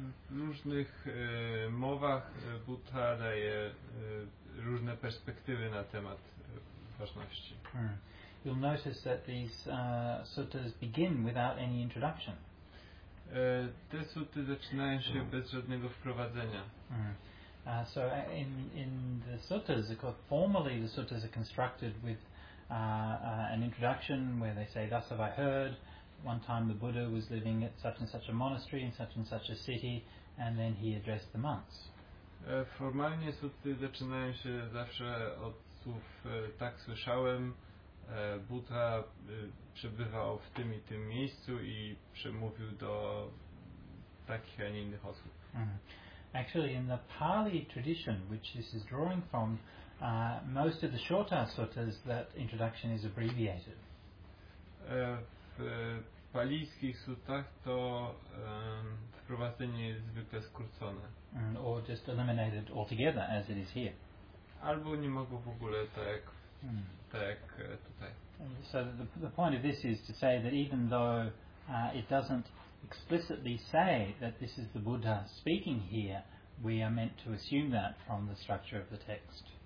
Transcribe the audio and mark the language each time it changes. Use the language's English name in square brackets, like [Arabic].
[Polish] W różnych mowach Buddha daje różne perspektywy na temat uważności. Mm. [English] You'll notice that these suttas begin without any introduction. [Polish] Te sutty zaczynają się bez żadnego wprowadzenia. Mm. [English] So in the suttas, formally the suttas are constructed with an introduction where they say, thus have I heard. One time the Buddha was living at such and such a monastery in such a city, and then he addressed the monks. [Polish] Formalnie sutty zaczynają się zawsze od słów tak słyszałem, Buddha przebywał w tym i tym miejscu i przemówił do takich, a nie innych osób. Mm-hmm. [English] Actually, in the Pali tradition, which this is drawing from, most of the shorter suttas, that introduction is abbreviated. [Polish] W palijskich sutach to wprowadzenie jest zwykle skrócone. [English] Mm, or just eliminated altogether, as it is here. [Polish] Albo nie mogło w ogóle, tak, mm. tak tutaj. [English] So the point of this is to say that even though it doesn't explicitly say that this is the Buddha speaking here, we are meant to assume that from the structure of the text.